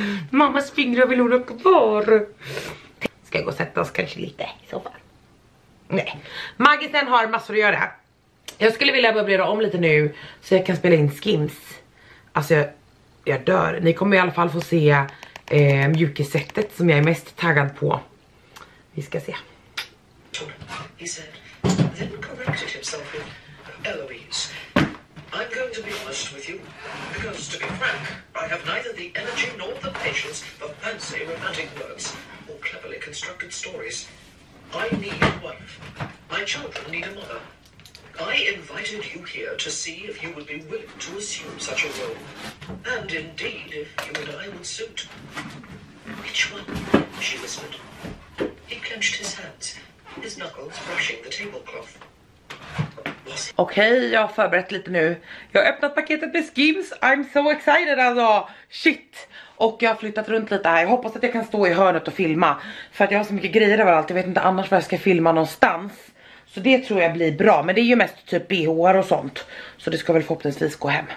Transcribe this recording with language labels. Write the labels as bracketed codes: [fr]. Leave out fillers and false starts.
[sv] Mammas fingrar vill hon ha kvar. Ska jag gå och sätta oss kanske lite i soffan? Nej. Magisen har massor att göra. Jag skulle vilja möblera om lite nu. Så jag kan spela in Skims. Alltså jag dör. Ni kommer i alla fall få se mjukisättet som jag är mest taggad på. Vi ska se. [en] He said, then corrected himself with Eloise. I'm going to be honest with you, because to be frank, I have neither the energy nor the patience for fancy romantic words or cleverly constructed stories. I need a wife. My children need a mother. I invited you here to see if you would be willing to assume such a role. And indeed, if you and I would suit. Which one? She whispered. He clenched his hands, his knuckles brushing the tablecloth. [sv] Okej, jag har förberett lite nu. Jag har öppnat paketet med Skims. [en] I'm so excited [sv] alltså. Shit. Och jag har flyttat runt lite här. Jag hoppas att jag kan stå i hörnet och filma. För att jag har så mycket grejer överallt. Jag vet inte annars var jag ska filma någonstans. Så det tror jag blir bra. Men det är ju mest typ BH:ar och sånt. Så det ska väl förhoppningsvis gå hem.